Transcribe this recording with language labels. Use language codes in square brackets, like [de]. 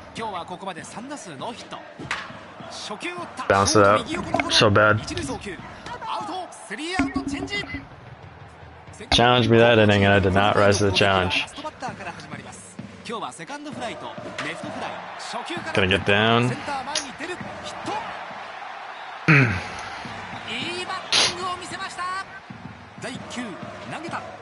[ja] 今日はここまで3打数ノーヒット。初球を打 [en] った。So bad. [ja] 一塁送球。アウト。スリーアウトチェンジ。 [en] Challenge me that inning and I did not rise to the challenge. [ja] ストバッターから始まります。今日はセカンドフライとレフトフライ。初球から。 [en] Gonna get down. [ja] センター前に出る。ヒット。いいバッティングを見せました。第1球投げた。